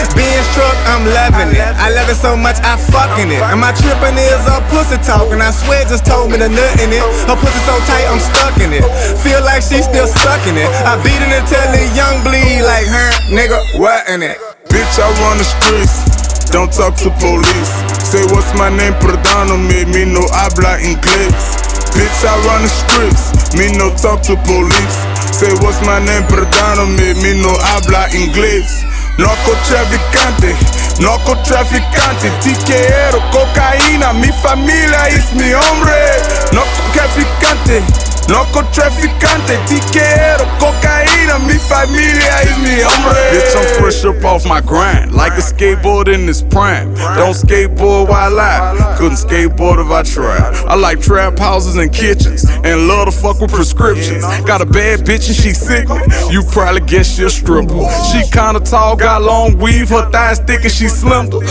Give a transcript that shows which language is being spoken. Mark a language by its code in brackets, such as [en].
[en] Benz truck, I'm loving it. I love it so much, I fucking it. And my tripping is a pussy talking. I swear just told me the nut in it. Her pussy so tight, I'm stuck in it. Feel like she still sucking it. I beat it until it young bleed like her. Nigga, what in it? Bitch, I run the streets, don't talk to police. Say what's my name, [es] perdono me, me no habla inglés. [en] Bitch, I run the streets, me no talk to police. Say what's my name, [es] perdono me, me no habla inglés. Narcotraficante, narcotraficante. Tiquero, cocaína, mi familia es mi hombre. Narcotraficante, narcotraficante. Tiquero, cocaína, mi familia es mi hombre. [en] Bitch, I'm fresh up off my grind, like a skateboard in its prime. Don't skateboard, why lie? Couldn't skateboard if I tried. I like trap houses and kitchens, and love to fuck with prescriptions. Got a bad bitch and she sick me, you probably guess she a stripper. She kinda tall, got long weave, her thighs thick and she slender.